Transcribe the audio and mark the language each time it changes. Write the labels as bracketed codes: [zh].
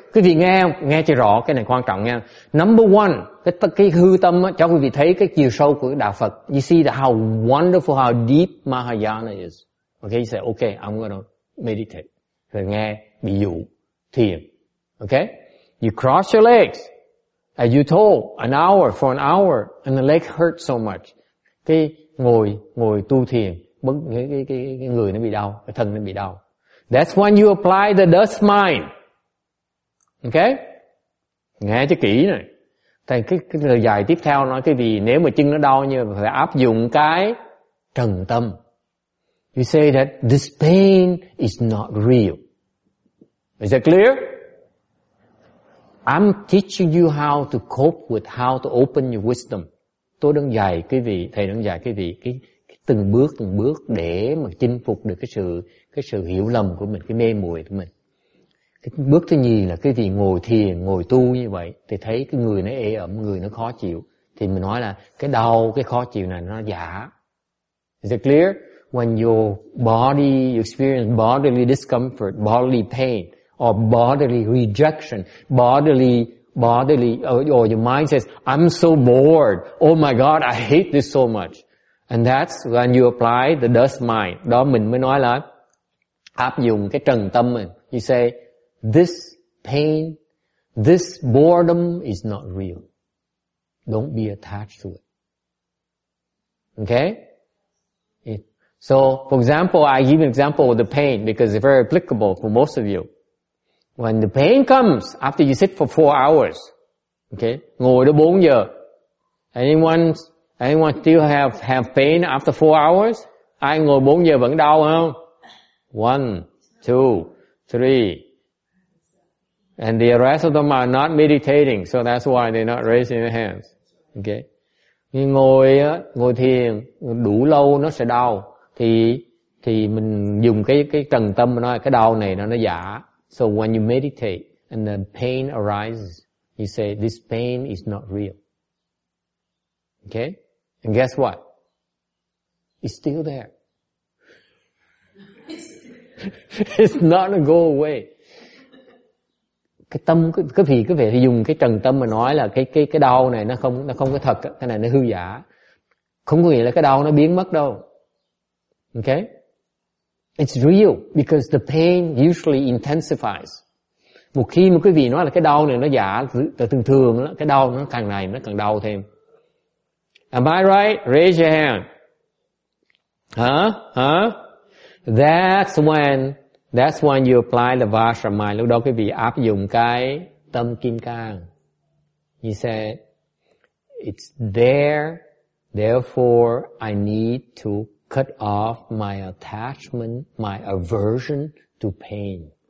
[vi] Quý vị nghe cho rõ, cái này quan trọng nha. [en] Number one, [vi] cái hư tâm cho quý vị thấy cái chiều sâu của Đạo Phật. [en] You see how wonderful, how deep Mahayana is. Okay, you say, okay, I'm going to meditate. [vi] Rồi nghe, ví dụ, thiền. [en] Okay? You cross your legs, as you told, an hour, for an hour, and the leg hurts so much. [vi] Cái ngồi tu thiền, cái người nó bị đau, cái thân nó bị đau. [en] That's when you apply the dust mind. Okay? [vi] Nghe cho kỹ này. Thầy cái lời dài tiếp theo nói, cái vì nếu mà chân nó đau như phải áp dụng cái trần tâm. [en] You say that this pain is not real. Is that clear? I'm teaching you how to cope with, how to open your wisdom. [vi] Tôi đang dạy quý vị, thầy đang dạy quý vị cái từng bước để mà chinh phục được cái sự hiểu lầm của mình, cái mê muội của mình. Cái bước thứ nhì là quý vị ngồi thiền, ngồi tu như vậy, thì thấy cái người nó ê ẩm, người nó khó chịu. Thì mình nói là cái đau, cái khó chịu này nó giả. [en] Is that clear? When your body, you experience bodily discomfort, bodily pain, or bodily rejection, or your mind says, I'm so bored. Oh my God, I hate this so much. And that's when you apply the dust mind. [vi] Đó mình mới nói là áp dụng cái trần tâm mình. [en] You say, this pain, this boredom is not real. Don't be attached to it. Okay? So, for example, I give an example of the pain because it's very applicable for most of you. When the pain comes after you sit for 4 hours, okay, [vi] ngồi đó 4 giờ. [en] Anyone still have pain after 4 hours? [vi] Ai ngồi 4 giờ vẫn đau không? [en] 1, 2, 3. And the rest of them are not meditating, so that's why they're not raising their hands. Okay. [vi] Nhưng ngồi thiền đủ lâu nó sẽ đau. Thì mình dùng cái trần tâm nói cái đau này nó giả. [en] So when you meditate and the pain arises, you say this pain is not real. Okay? And guess what? It's still there. It's not gonna go away. [vi] Cái tâm cứ vì dùng cái trần tâm mà nói là cái đau này nó không có thật, cái này nó hư giả. Không có nghĩa là cái đau nó biến mất đâu. Okay? [en] It's real because the pain usually intensifies. [vi] Một khi mà quý vị nói là cái đau này nó giả, thường thường đó, cái đau nó càng ngày nó càng đau thêm. [en] Am I right? Raise your hand. Huh? Huh? That's when you apply the Vajra mind. [vi] Lúc đó quý vị áp dụng cái tâm kim cang. [en] He said, it's there, therefore I need to cut off my attachment, my aversion to pain.